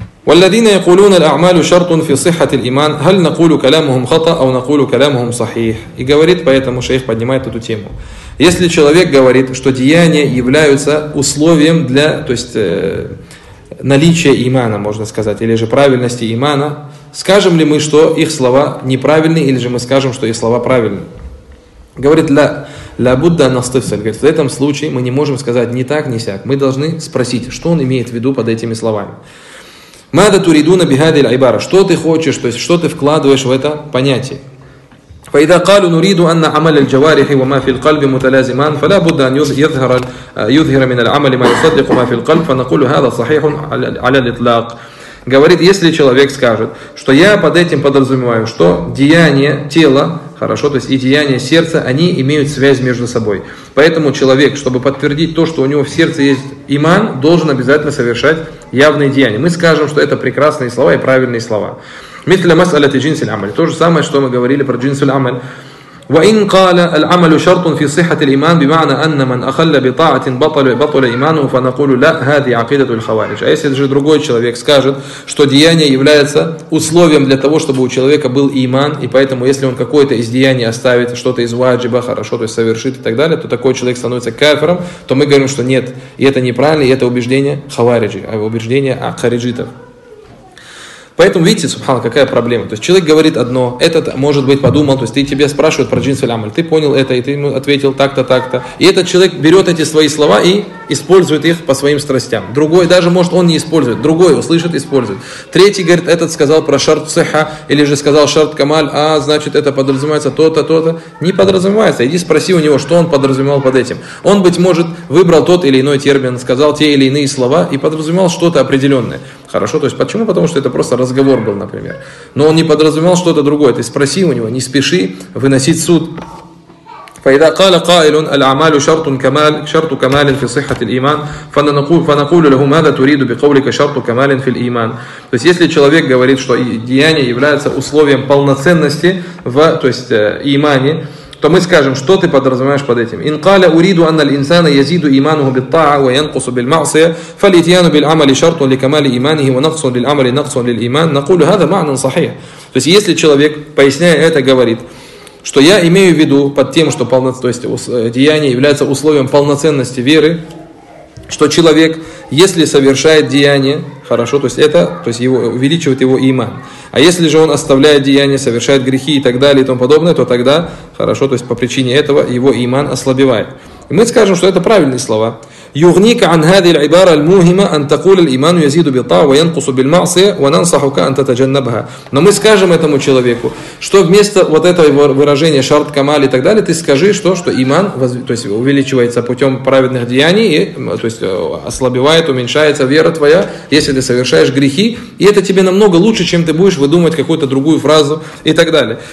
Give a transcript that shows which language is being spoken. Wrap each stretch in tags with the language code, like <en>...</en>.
<ar>والذين يقولون الأعمال شرط في صحة الإيمان هل نقول كلامهم خطأ أو نقول كلامهم صحيح؟</ar> <ru>И говорит поэтому шейх поднимает эту тему. Если человек говорит, что деяния являются условием для, то есть наличия имана, можно сказать, или же правильности имана, скажем ли мы, что их слова неправильны, или же мы скажем, что их слова правильны? Говорит</ru> <ar>ля будда настыфсаль.</ar> <ru>Говорит, в этом случае мы не можем сказать ни так, ни сяк. Мы должны спросить, что он имеет в виду под этими словами.</ru> <ar>Мада туридуна бихадиль айбара.</ar> <ru>Что ты хочешь, то есть что ты вкладываешь в это понятие?</ru> <ar>فإذا قالوا نريد أن عمل الجوارح وما في القلب متلازمان فلا بد أن يظهر من العمل ما يصدق ما في القلب فنقول هذا صحيح على الإطلاق.</ar> <ru>Говорит, если человек скажет, что я под этим подразумеваю, что деяния тела, хорошо, то есть и деяния сердца, они имеют связь между собой. Поэтому человек, чтобы подтвердить то, что у него в сердце есть иман, должен обязательно совершать явные деяния. Мы скажем, что это прекрасные слова и правильные слова.</ru> <ar>Мисля масалати джинсиль амаль.</ar> <ru>То же самое, что мы говорили про джинсиль амаль.</ru> <ar>وإن قال العمل شرط في صحة الإيمان بمعنى أن من أخل بطاعة بطل إيمانه فنقول لا هذه عقيدة الخوارج.</ar> <ru>А если же другой человек скажет, что деяние является условием для того, чтобы у человека был иман, и поэтому если он какое-то из деяний оставит, что-то из ваджиба, хорошо, то есть совершит и так далее, то такой человек становится кафиром, то мы говорим, что нет, и это неправильно, и это убеждение хавариджи, а убеждение ахариджитов. Поэтому видите, субхан, какая проблема. То есть человек говорит одно, этот может быть подумал, то есть тебя спрашивают про джинс аль-амаль, ты понял это, и ты ему ответил так-то, так-то. И этот человек берет эти свои слова и использует их по своим страстям. Другой, даже может он не использует, другой услышит, использует. Третий говорит, этот сказал про шарт цеха, или же сказал шарт камаль, а значит это подразумевается то-то, то-то. Не подразумевается, иди спроси у него, что он подразумевал под этим. Он, быть может, выбрал тот или иной термин, сказал те или иные слова и подразумевал что-то определенное. Хорошо, то есть почему? Потому что это просто разговор был, например. Но он не подразумевал что-то другое. Ты спроси у него, не спеши выносить суд.</ru> <ar>فإذا قال قائل الأعمال شرط كمال شرط كمال في صحة الإيمان فنقول له ماذا تريد بقولك شرط كمال في الإيمان.</ar> <ru>То есть если человек говорит, что деяние является условием полноценности в, то есть имане, то мы скажем, что ты подразумеваешь под этим.</ru> <ar>إن قال أريد أن الإنسان يزيد إيمانه بالطاعة وينقص بالمعصية فالإتيان بالعمل شرط لكمال إيمانه ونقص للعمل نقص للإيمان نقول هذا معنى صحيح.</ar> <ru>То есть если человек, поясняя это, говорит, что я имею в виду под тем, что деяние является условием полноценности веры, что человек, если совершает деяние, хорошо, то есть это, то есть его, увеличивает его иман. А если же он оставляет деяние, совершает грехи и так далее и тому подобное, то тогда, хорошо, то есть по причине этого его иман ослабевает. И мы скажем, что это правильные слова.</ru> <ar>يغنيك عن هذه العبارة المهمة أن تقول الإيمان يزيد بالطاعة وينقص بالمعصية وننصحك أن تتجنبها.</ar> <ru>Но мы скажем этому человеку, что вместо вот этого выражения шарт камаль и так далее, ты скажи, что иман, то есть увеличивается путем праведных деяний, и, то есть ослабевает, уменьшается вера твоя, если ты совершаешь грехи, и это тебе намного лучше, чем ты будешь выдумывать какую-то другую фразу и так далее.</ru>